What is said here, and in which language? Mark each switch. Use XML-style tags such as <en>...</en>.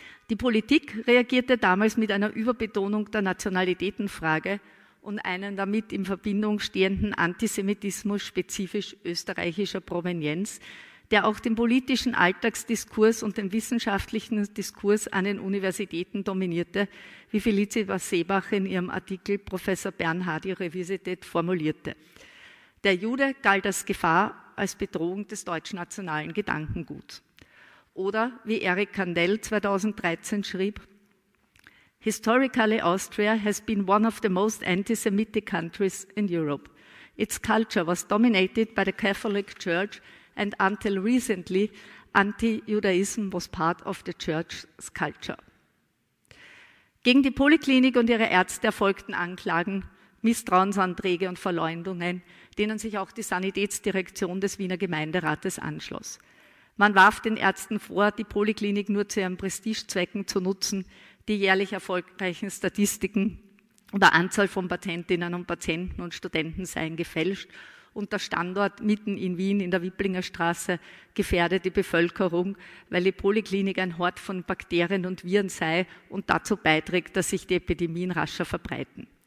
<de>Die Politik reagierte damals mit einer Überbetonung der Nationalitätenfrage und einem damit in Verbindung stehenden Antisemitismus spezifisch österreichischer Provenienz, der auch den politischen Alltagsdiskurs und den wissenschaftlichen Diskurs an den Universitäten dominierte, wie Felicitas Seebach in ihrem Artikel Professor Bernhardi Revisited formulierte. Der Jude galt als Gefahr, als Bedrohung des deutschnationalen Gedankenguts. Oder, wie Eric Kandel 2013 schrieb,</de> <en>"Historically Austria has been one of the most anti-Semitic countries in Europe. Its culture was dominated by the Catholic Church and until recently, anti-Judaism was part of the church's culture."</en> <de>Gegen die Poliklinik und ihre Ärzte erfolgten Anklagen, Misstrauensanträge und Verleumdungen, denen sich auch die Sanitätsdirektion des Wiener Gemeinderates anschloss. Man warf den Ärzten vor, die Poliklinik nur zu ihren Prestigezwecken zu nutzen, die jährlich erfolgreichen Statistiken oder Anzahl von Patientinnen und Patienten und Studenten seien gefälscht und der Standort mitten in Wien in der Wipplinger Straße gefährde die Bevölkerung, weil die Poliklinik ein Hort von Bakterien und Viren sei und dazu beiträgt, dass sich die Epidemien rascher verbreiten.</de>